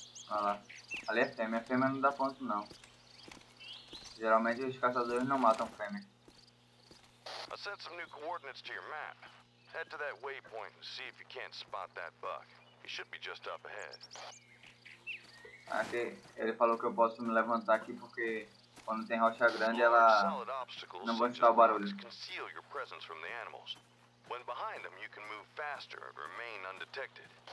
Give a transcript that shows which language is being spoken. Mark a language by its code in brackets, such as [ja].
[pt] Olha lá. Ali é fêmea. Fêmea não dá ponto, não. Geralmente os caçadores não matam fêmea. [en] I sent some new coordinates to your map. Head to that waypoint and see if you can't spot that buck. He should be just up ahead. [pt] Aqui, ele falou que eu posso me levantar aqui porque quando tem rocha grande ela não vai escutar o barulho. [en] Conceal your presence from the animals. When behind them, you can move faster and remain undetected.